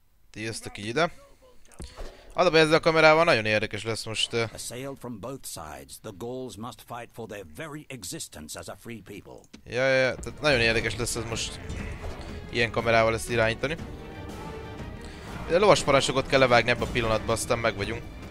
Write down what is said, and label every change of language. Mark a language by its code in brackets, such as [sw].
[hu] Ti jöztök így ide. Az a baj ezzel a kamerával, nagyon érdekes lesz most. [en] Assailed from both sides, the Gauls must fight for their very existence as a free people. [hu] Jajaj, tehát nagyon érdekes lesz ez most ilyen kamerával ezt irányítani. De a lovas parancsnokot kell levágni ebbe a pillanatba, aztán meg vagyunk.